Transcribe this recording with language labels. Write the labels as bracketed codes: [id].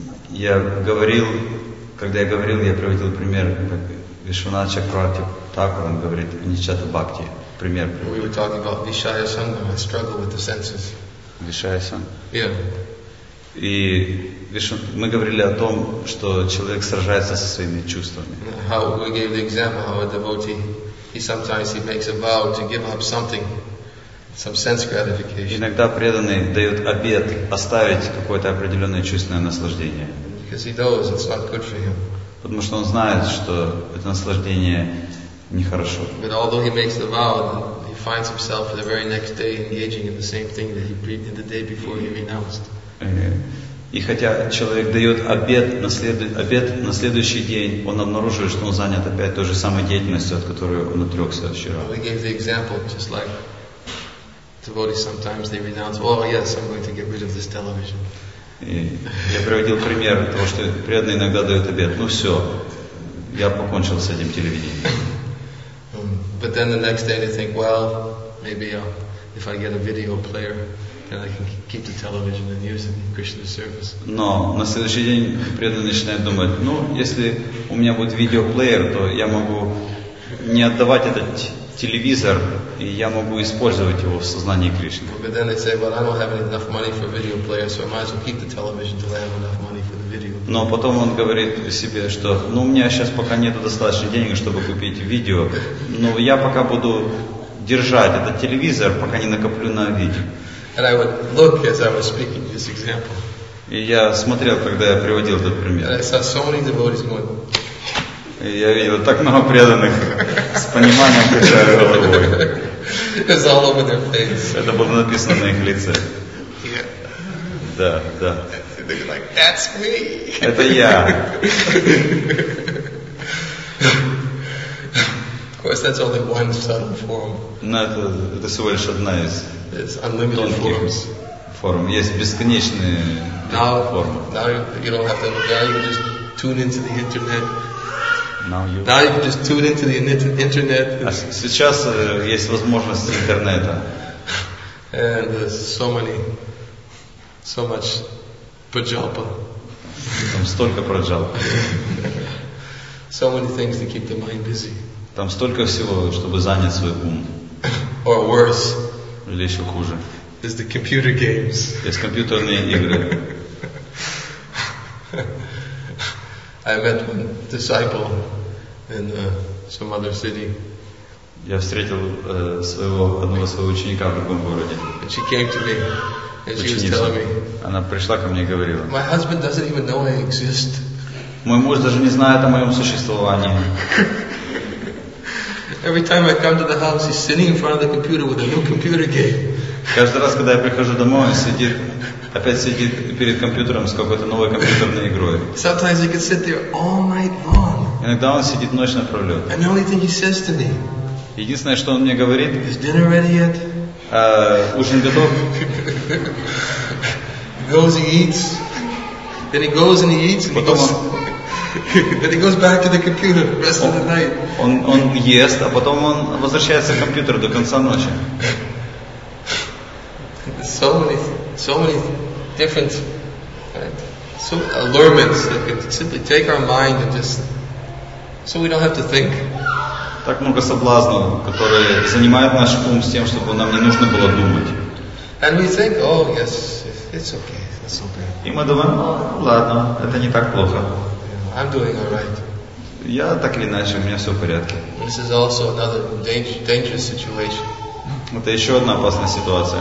[ru] Я говорил, когда я говорил, я приводил пример, как Вишванат Чакравати Такур, он говорит, Аништита Бхакти, пример. [en] We were talking about Вишая Санга, my struggle with the senses. [sa] Вишая Санга. [en] Yeah. [ru] И мы говорили о том, что человек сражается со своими чувствами. [en] How we gave the example, how a devotee, he sometimes he makes a vow to give up something. Some sense gratification. [ru] Иногда преданный дает обет оставить какое-то определенное чувственное наслаждение. [en] Because he knows it's not good for him. [ru] Потому что он знает, что это наслаждение нехорошо. [en] But although he makes the vow, he finds himself the very next day engaging in the same thing that he did the day before he renounced. [ru] И хотя человек дает обет на следующий день, он обнаруживает, что он занят опять той же самой деятельностью, от которой он отрекся вчера. [en] We gave the example just like devotees sometimes they renounce. Oh yes, I'm going to get rid of this television. [ru] Я приводил пример того, что преданные иногда дают обет. Ну все, я покончил с этим телевидением. [en] But then the next day they think, well, maybe if I get a video player, then I can keep the television and use it in Krishna's service. [ru] Но на следующий день преданные начинают думать, ну если у меня будет видеоплеер, то я могу не отдавать этот телевизор, и я могу использовать его в сознании Кришны. [en] But then they say, well, I don't have enough money for video player, so I might as well keep the television till I have enough money for the video. [ru] Но потом он говорит себе, что, ну, у меня сейчас пока нету достаточно денег, чтобы купить видео, но я пока буду держать этот телевизор, пока не накоплю на видео. [en] And I would look as I was speaking this example. [ru] И я смотрел, когда я приводил этот пример. [en] And I saw so many devotees going. [ru] Я видел так много преданных с пониманием качали головой. [en] It's all over their face. [ru] Это было написано на их лице. [en] Yeah. [ru] Да, да. [en] They're like, that's me. [ru] Это я. [en] Of course, that's only one subtle form. [ru] Но это всего лишь одна из тонких форм. Есть бесконечные формы. [en] Now you don't have to look at it. You just tune into the internet. Now you can just tune into the internet. [ru] Сейчас есть возможность интернета. [en] And there's so much prajalpa. [ru] Там столько праджалпа. [en] So many things to keep the mind busy. [ru] Там столько всего, чтобы занять свой ум. [en] Or worse. [ru] Или еще хуже. [en] Is the computer games. [ru] Есть компьютерные игры. [en] I met one disciple in some other city. [ru] Я встретил одного своего ученика в другом городе. [en] And she came to me, and [ru] ученица. [en] She was telling me. [ru] Она пришла ко мне и говорила. [en] My husband doesn't even know I exist. [ru] Мой муж даже не знает о моем существовании. [en] Every time I come to the house, he's sitting in front of the computer with a new computer game. [ru] Каждый раз, когда я прихожу домой, он опять сидит перед компьютером с какой-то новой компьютерной игрой. [en] Sometimes he can sit there all night long. [ru] Иногда он сидит ночь напролет. [en] And the only thing he says to me. [ru] Единственное, что он мне говорит, [en] is dinner ready yet? [ru] Ужин готов? [en] He goes, he eats. Then he goes and he eats. And [ru] потом [en] he goes, then he goes back to the computer the rest of the night. [ru] Он ест, а потом он возвращается к компьютеру до конца ночи. [en] So many different allurements that could simply take our mind and just so we don't have to think. [ru] Так много соблазнов, которые занимают наш ум с тем, чтобы нам не нужно было думать. [en] And we think, oh yes, it's okay, that's okay. [ru] И мы думаем, ладно, это не так плохо. [en] Yeah, I'm doing all right. [ru] Я так или иначе, у меня все в порядке. [en] This is also another dangerous situation. [ru] Это еще одна опасная ситуация.